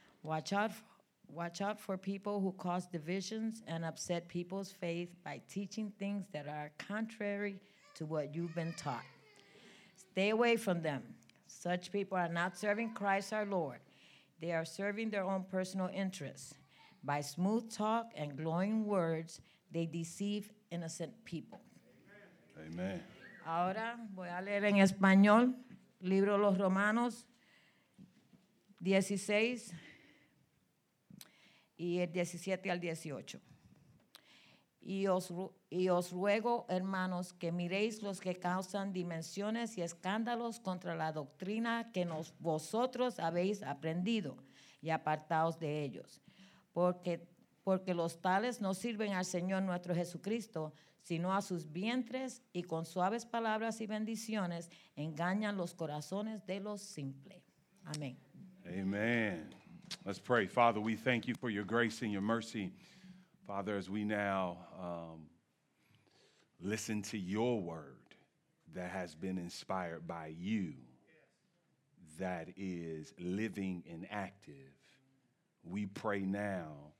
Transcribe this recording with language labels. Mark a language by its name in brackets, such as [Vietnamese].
[English] Watch out for people who cause divisions and upset people's faith by teaching things that are contrary to what you've been taught. Stay away from them. Such people are not serving Christ our Lord. They are serving their own personal interests. By smooth talk and glowing words, they deceive innocent people. Amen. [Spanish] Ahora voy a leer en español, libro de los Romanos, 16, y el 17 al 18. Y os ruego, hermanos, que miréis los que causan disensiones y escándalos contra la doctrina que vosotros habéis aprendido y apartaos de ellos. Porque los tales no sirven al Señor nuestro Jesucristo, sino a sus vientres y con suaves palabras y bendiciones engañan los corazones de los simples. Amén. [English] Amen. Let's pray. Father, we thank you for your grace and your mercy. Father, as we now listen to your word that has been inspired by you, that is living and active, we pray now